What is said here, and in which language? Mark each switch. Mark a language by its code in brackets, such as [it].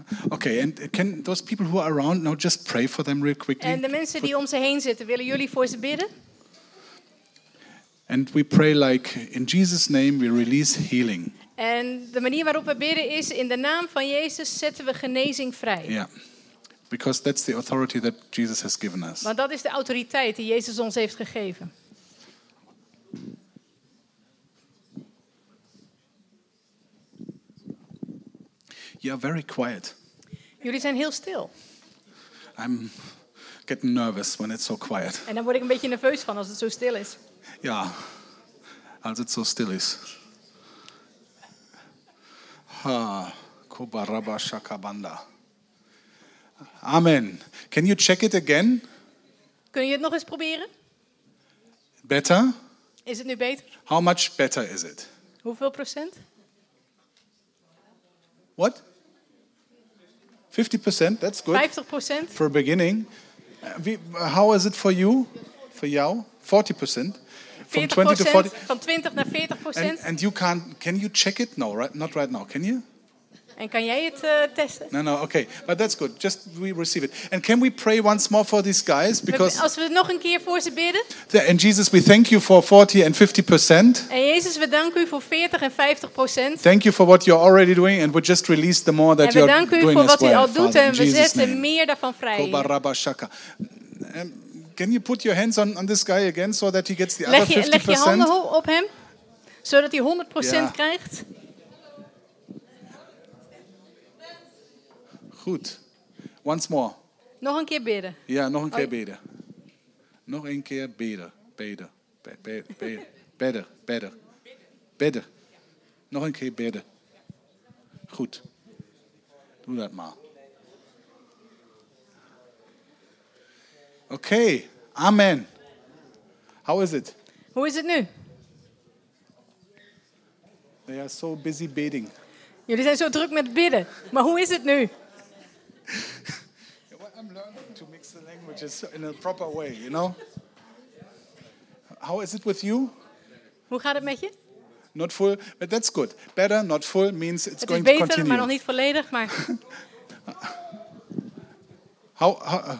[en] Okay, and can those people who are around now just pray for them real quickly? [nl] En de mensen die om ze heen zitten, willen jullie voor ze bidden? [en] And we pray like in Jesus' name we release healing. [nl] En de manier waarop we bidden is in de naam van Jezus zetten we genezing vrij. Ja. Yeah. [en] Because that's the authority that Jesus has given us. [nl] Want dat is de autoriteit die Jezus ons heeft gegeven. [en] You are very quiet. [nl] Jullie zijn heel stil. [en] I'm getting nervous when it's so quiet. [nl] En dan word ik een beetje nerveus van als het zo stil is. Ja, als het zo stil is. Ha, kubaraba shakabanda. Amen. [en] Can you check it again? [nl] Kun je het nog eens proberen? [en] Better? [nl] Is het nu beter? [en] How much better is it? [nl] Hoeveel procent? [en] What? 50%, that's good. [nl] 50%. [en] For a beginning. How is it for you? For jou? 40%. From 20 to 40. [nl] Van 20 naar 40%. [en] And you can't, can you check it? No, right? Not right now, can you? [nl] En kan jij het testen? [en] No, okay. But that's good. Just we receive it. And can we pray once more for these guys? Because [nl] als we nog een keer voor ze bidden. [en] And Jesus, we thank you for 40 and 50%. [nl] En Jezus, we danken u voor 40 en 50%. [en] Thank you for what you're already doing and we just release the more that you're doing as well. [nl] En we danken u voor wat u al doet [en] Father, [nl] en we zetten meer daarvan vrij. Kobaraba shaka. [en] Can you put your hands on this guy again so that he gets the other 50%? [nl] Leg je handen op hem zodat hij 100% krijgt. [en] Goed. Once more. [nl] Nog een keer bidden. Ja, nog een keer bidden. Nog een keer bidden. Bidden. Bidden. Bidden. Bidden. Nog een keer bidden. Goed. Doe dat maar. [en] Oké. Okay. Amen. How is it? [nl] Hoe is het nu? [en] They are so busy bidding. [nl] Jullie zijn zo druk met bidden. Maar hoe is het nu? [en] I'm learning to mix the languages in a proper way, you know. How is it with you? [nl] Hoe gaat het met je? [en] Not full, but that's good. Better, not full means it's [nl] het [en] going [nl] beter, [en] to continue. [nl] Het is beter, maar nog niet volledig, maar.